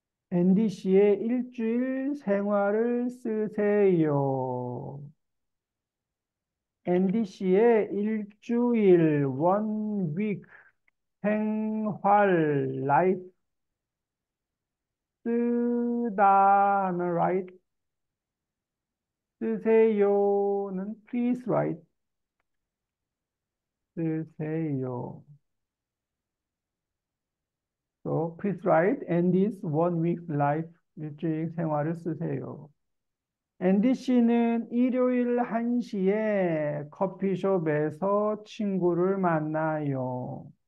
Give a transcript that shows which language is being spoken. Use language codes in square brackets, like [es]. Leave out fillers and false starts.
[ko] NDC의 일주일 생활을 쓰세요. NDC의 일주일, one week, 생활, life, 쓰다, write, 쓰세요는 [en] please write, [ko] 쓰세요. [en] So please write and this one week life, [ko] 일주일 생활을 쓰세요. NDC는 일요일 1시에 커피숍에서 친구를 만나요.